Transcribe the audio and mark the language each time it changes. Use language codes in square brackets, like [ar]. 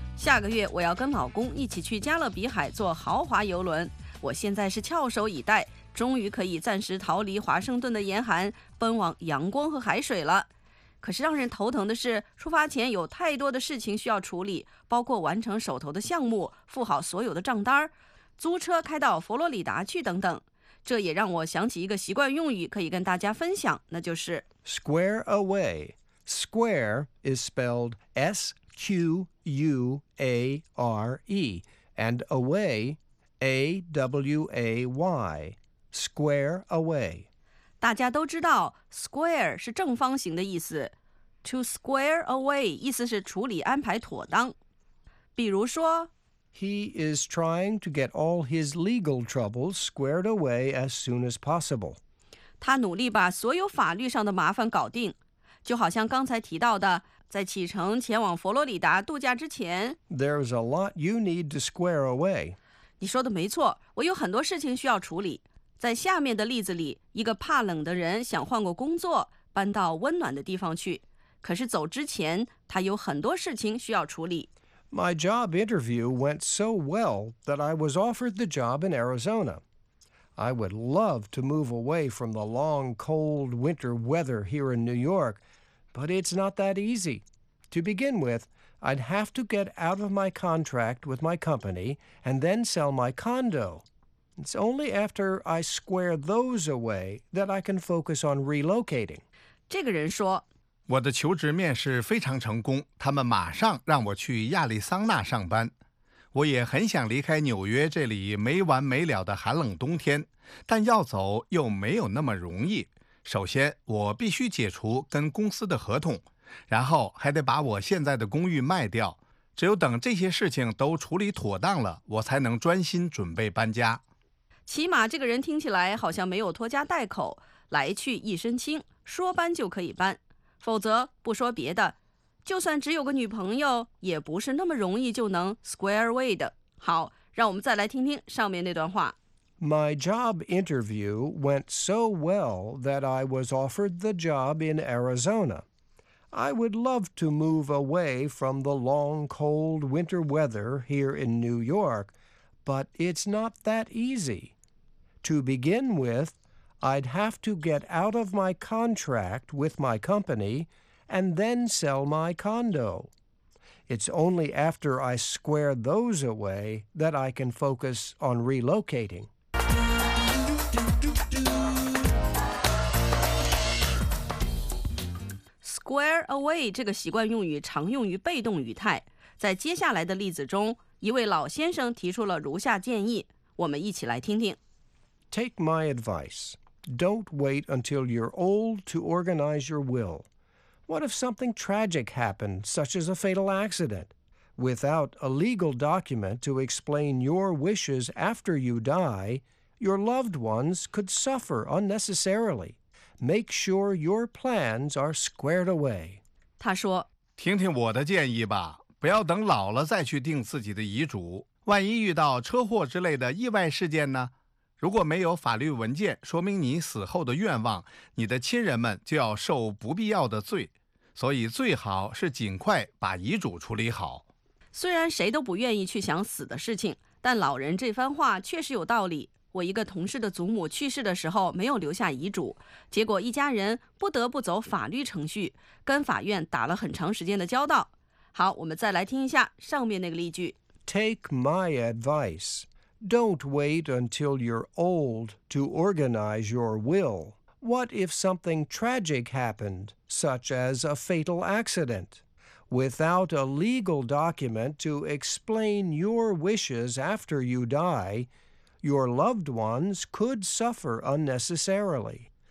[zh] 下个月我要跟老公一起去加勒比海坐豪华游轮我现在是翘首以待终于可以暂时逃离华盛顿的严寒奔往阳光和海水了可是让人头疼的是，出发前有太多的事情需要处理，包括完成手头的项目、付好所有的账单、租车开到佛罗里达去等等。这也让我想起一个习惯用语，可以跟大家分享，那就是 [en] square away。 Square is spelled S-Q-U-A-R-E, and away, A-W-A-Y, square away. [zh] 大家都知道 square 是正方形的意思。 To square away 意思是处理安排妥当。比如说 [en] He is trying to get all his legal troubles squared away as soon as possible. [zh] 他努力把所有法律上的麻烦搞定。就好像刚才提到的，在启程前往佛罗里达度假之前 [en] There's a lot you need to square away. [zh] 你说的没错，我有很多事情需要处理。在下面的例子里，一个怕冷的人想换过工作，搬到温暖的地方去。可是走之前，他有很多事情需要处理。 [en] My job interview went so well that I was offered the job in Arizona. I would love to move away from the long, cold winter weather here in New York. But it's not that easy. To begin with, I'd have to get out of my contract with my company and then sell my condo. It's only after I square those away that I can focus on relocating. [zh] 这个人说，我的求职面试非常成功，他们马上让我去亚利桑那上班。我也很想离开纽约这里没完没了的寒冷冬天，但要走又没有那么容易。首先，我必须解除跟公司的合同，然后还得把我现在的公寓卖掉。只有等这些事情都处理妥当了，我才能专心准备搬家。起码这个人听起来好像没有拖家带口，来去一身轻，说搬就可以搬。否则，不说别的，就算只有个女朋友，也不是那么容易就能 square away 的。好，让我们再来听听上面那段话。 [en] My job interview went so well that I was offered the job in Arizona. I would love to move away from the long, cold winter weather here in New York, but it's not that easy. To begin with, I'd have to get out of my contract with my company and then sell my condo. It's only after I square those away that I can focus on relocating. [zh] Square away 这个习惯用语常用于被动语态。在接下来的例子中，一位老先生提出了如下建议，我们一起来听听。 [en] Take my advice. Don't wait until you're old to organize your will. What if something tragic happened, such as a fatal accident? Without a legal document to explain your wishes after you die, your loved ones could suffer unnecessarily. Make sure your plans are squared away. [zh] 他说，听听我的建议吧，不要等老了再去定自己的遗嘱。万一遇到车祸之类的意外事件呢？如果没有法律文件说明你死后的愿望，你的亲人们就要受不必要的罪，所以最好是尽快把遗嘱处理好。虽然谁都不愿意去想死的事情，但老人这番话确实有道理。我一个同事的祖母去世的时候没有留下遗嘱，结果一家人不得不走法律程序，跟法院打了很长时间的交道。好，我们再来听一下上面那个例句。 [en] Take my advice. Don't wait until you're old to organize your will. What if something tragic happened, such as a fatal accident? Without a legal document to explain your wishes after you die, your loved ones could suffer unnecessarily.